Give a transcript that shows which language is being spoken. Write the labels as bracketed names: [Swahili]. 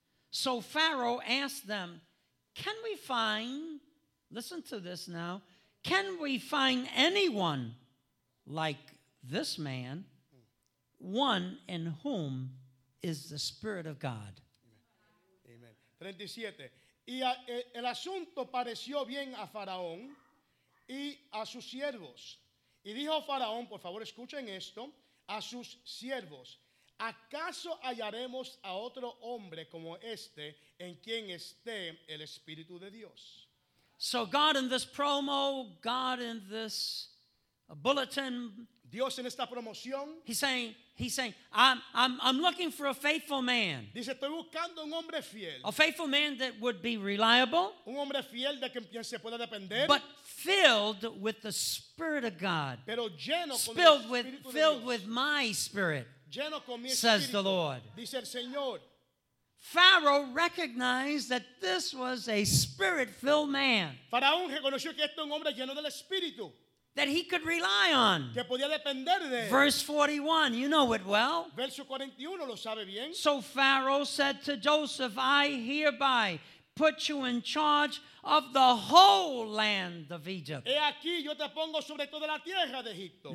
[English] So Pharaoh asked them, can we find anyone like this man, one in whom is the Spirit of God? Amen. 37. [Spanish] Y el asunto pareció bien a Faraón y a sus siervos. Y dijo Faraón, por favor escuchen esto, a sus siervos, ¿acaso hallaremos a otro hombre como este en quien esté el Espíritu de Dios? [English] So God in this promo, God in this bulletin, [Spanish] Dios en esta promoción, [English] He's saying, I'm looking for a faithful man. [Spanish] Dice, estoy buscando un hombre fiel. [English] A faithful man that would be reliable. [Spanish] Un hombre fiel de quien se pueda depender. [English] But filled with the Spirit of God. [Spanish] Pero lleno con [English] spilled [Spanish] el Espíritu [English] with, filled with my Spirit. [Spanish] Lleno con mi Espíritu, [English] says the Lord. [Spanish] Dice el Señor. [English] Pharaoh recognized that this was a Spirit-filled man. [Spanish] Faraón reconoció que este es un hombre lleno del Espíritu. [English] That he could rely on. [Spanish] Que podía depender de él. [English] Verse 41, you know it well. [Spanish] Verso 41, lo sabe bien. [English] So Pharaoh said to Joseph, I hereby put you in charge of the whole land of Egypt. [Spanish] He aquí, yo te pongo sobre toda la tierra de Egipto.